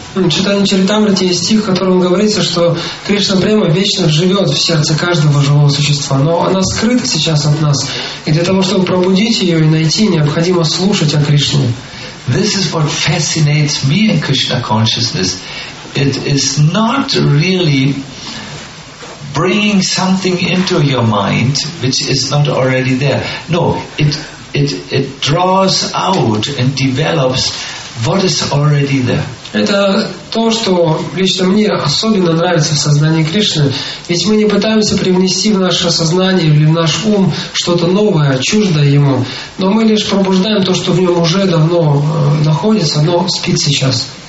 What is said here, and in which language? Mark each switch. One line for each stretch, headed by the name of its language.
Russian: Читание Чаритамриты есть стих, в котором говорится, что Кришна Према вечно живет в сердце каждого живого существа, но она скрыта сейчас от нас. И для того, чтобы пробудить ее и найти, необходимо слушать о Кришне.
English: This is what fascinates me in Krishna consciousness. It is not really bringing something into your mind which is not already there. No, it draws out and develops what is already there.
Russian: Это то, что лично мне особенно нравится в сознании Кришны. Ведь мы не пытаемся привнести в наше сознание или в наш ум что-то новое, чуждое ему, но мы лишь пробуждаем то, что в нем уже давно находится, но спит сейчас.